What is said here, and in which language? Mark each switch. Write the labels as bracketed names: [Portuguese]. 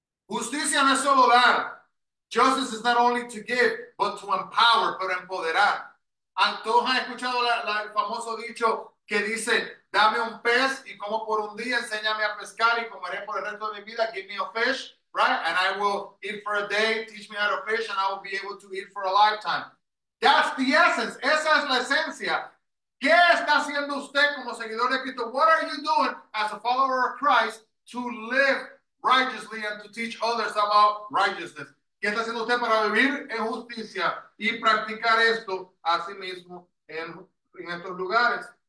[Spanish] Justicia no es solo dar. [English] Justice is not only to give, but to empower, [Spanish] pero empoderar. ¿Todos han escuchado el famoso dicho que dice, dame un pez y como por un día, enséñame a pescar y comeré por el resto de mi vida, [English] give me a fish? Right, and I will eat for a day, teach me how to fish, and I will be able to eat for a lifetime. That's the essence. [Spanish] Esa es la esencia. ¿Qué está haciendo usted como seguidor de Cristo? [English] What are you doing as a follower of Christ to live righteously and to teach others about righteousness? [Spanish] ¿Qué está haciendo usted para vivir en justicia y practicar esto a sí mismo en estos lugares?